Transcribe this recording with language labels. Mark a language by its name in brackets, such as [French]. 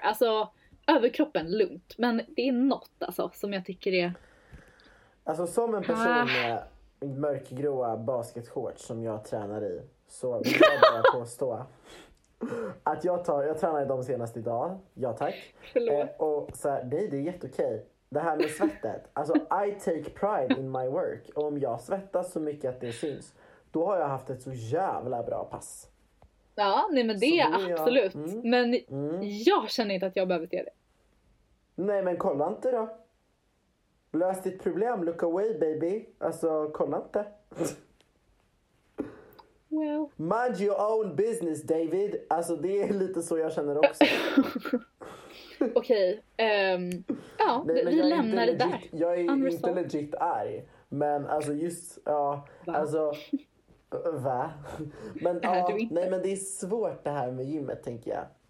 [Swedish] Alltså överkroppen, lugnt. Men det är något alltså, som jag tycker är... Alltså som en person med mörkgråa basketshorts som jag tränar i, så vill jag bara påstå... Att jag tränar i dem senast idag. Ja tack. Och så här, nej det är jätteokej. Det här med svettet. [English] Alltså I take pride in my work. [Swedish] Och om jag svettas så mycket att det syns, då har jag haft ett så jävla bra pass. Ja, nej men det är absolut. Jag, men jag känner inte att jag behöver det. Nej men kolla inte då. Lös ditt problem, [English] look away baby. [Swedish] Alltså kolla inte. [English] Well. Mind your own business, David. [Swedish] Alltså det är lite så jag känner också. Okej. Ja, nej, vi lämnar det legit, där. Jag är inte legit arg. Men alltså just, ja. Va? Alltså, va? Men ja, nej men det är svårt det här med gymmet, tänker jag.